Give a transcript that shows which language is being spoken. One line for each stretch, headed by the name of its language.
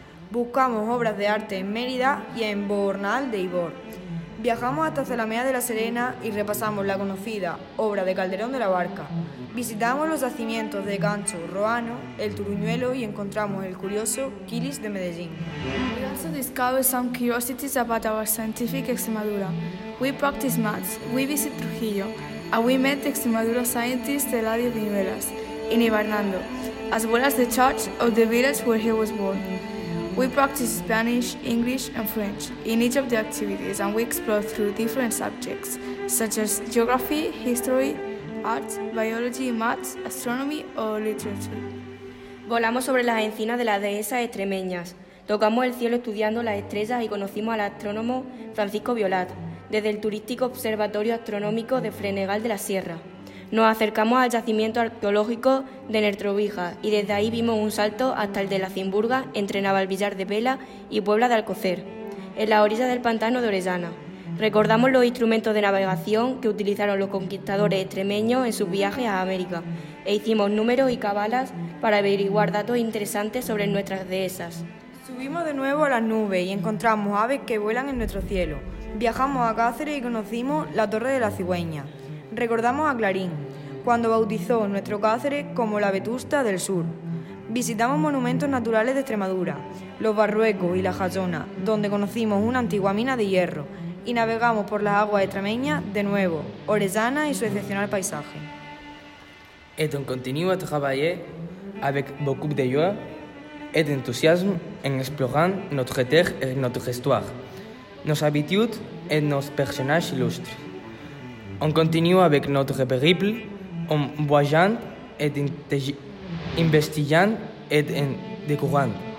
Spanish: Buscamos obras de arte en Mérida y en Bornal de Ibor. Viajamos hasta Zalamea de la Serena y repasamos la conocida obra de Calderón de la Barca. Visitamos los yacimientos de Gancho Roano, el Turuñuelo y encontramos el curioso Quilis de Medellín.
English: We also discovered some curiosities about our scientific Extremadura. We practiced maths, we visited Trujillo, and we met the Extremadura scientist Eladio Viñuelas in Ibarnando, as well as the church of the village where he was born. We practice Spanish, English and French in each of the activities and we explore through different subjects such as geography, history, art, biology, maths, astronomy or literature.
Spanish: Volamos sobre las encinas de las dehesas extremeñas. Tocamos el cielo estudiando las estrellas y conocimos al astrónomo Francisco Violat desde el turístico observatorio astronómico de Fregenal de la Sierra. Nos acercamos al yacimiento arqueológico de Nertrovija y desde ahí vimos un salto hasta el de la Cimburga entre Navalvillar de Vela y Puebla de Alcocer, en la orilla del pantano de Orellana. Recordamos los instrumentos de navegación que utilizaron los conquistadores extremeños en sus viajes a América e hicimos números y cabalas para averiguar datos interesantes sobre nuestras dehesas. Subimos de nuevo a las nubes y encontramos aves que vuelan en nuestro cielo. Viajamos a Cáceres y conocimos la Torre de la Cigüeña. Recordamos a Clarín, cuando bautizó nuestro Cáceres como la Vetusta del Sur. Visitamos monumentos naturales de Extremadura, los Barruecos y la Jayona, donde conocimos una antigua mina de hierro, y navegamos por las aguas extremeñas de nuevo, Orellana y su excepcional paisaje.
French: Et on continue à travailler avec beaucoup de joie et d'enthousiasme en explorant notre terre et notre histoire, nos habitudes et nos personnages illustres. On continue avec notre périple en voyant et investiguant et en découvrant.